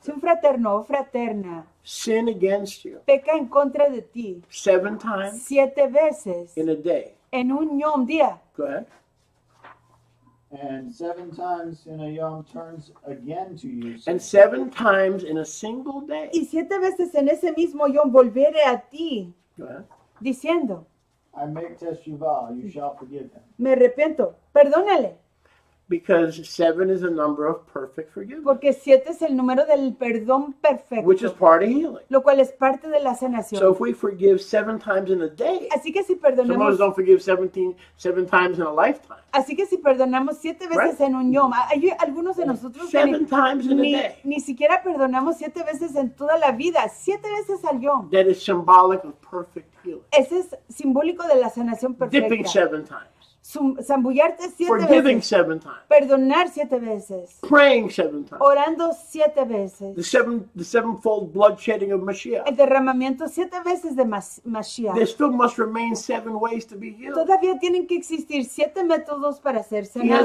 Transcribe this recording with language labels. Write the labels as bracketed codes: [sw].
[es] si un fraterno o fraterna, [en] sin against you, [es] peca en contra de ti, [en] seven times, [es] siete veces, [en] in a day, [es] en un yom día. [en] Go ahead. And seven times in a yom turns again to you. Seven. And seven times in a single day. [es] Y siete veces en ese mismo yom volveré a ti. [en] Go ahead. [es] Diciendo. [en] I make teshuvah, you shall forgive him. [es] Me arrepiento, perdónale. [en] Because seven is a number of perfect forgiveness. [es] Porque siete es el número del perdón perfecto. [en] Which is part of healing. [es] Lo cual es parte de la sanación. [en] So if we forgive seven times in a day. [es] Así que si perdonamos. [en] Some of us don't forgive 17 times in a lifetime. [es] Así que si perdonamos siete veces, right? En un yom. Hay algunos de nosotros. [en] Seven times in a day. [es] Ni siquiera perdonamos siete veces en toda la vida. Siete veces al yom. [en] That is symbolic of perfect healing. [es] Ese es simbólico de la sanación perfecta. [en] Dipping seven times. [es] Zambullarte siete [en] forgiving [es] veces, [en] seven times, [es] perdonar siete veces, [en] praying seven times, [es] orando siete veces, [en] the sevenfold blood shedding of Mashiach, [es] el derramamiento siete veces de Mashiach. [en] There still must remain seven ways to be healed. [es] Todavía tienen que existir siete métodos para ser sanado.